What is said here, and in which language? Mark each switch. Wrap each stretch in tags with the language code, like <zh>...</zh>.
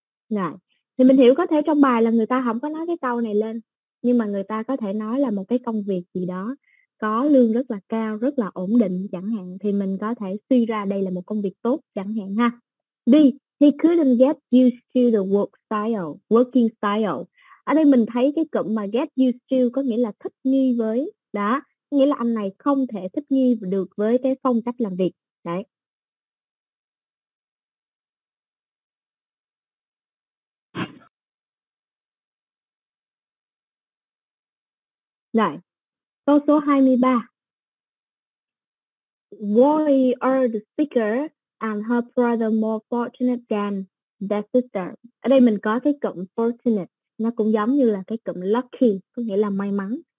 <vi>Rồi, thì mình hiểu có thể trong bài là người ta không có nói cái câu này lên, nhưng mà người ta có thể nói là một cái công việc gì đó có lương rất là cao, rất là ổn định chẳng hạn, thì mình có thể suy ra đây là một công việc tốt chẳng hạn ha.</vi> <en>D, he couldn't get used to the working style.</en> <vi>Ở đây mình thấy cái cụm mà get used to có nghĩa là thích nghi với, đó, nghĩa là anh này không thể thích nghi được với cái phong cách làm việc, đấy. Rồi, câu số 23.</vi> <en>Why are the speaker and her brother more fortunate than their sister?</en> <vi>Ở đây mình có cái cụm fortunate, nó cũng giống như là cái cụm lucky, có nghĩa là may mắn.</vi>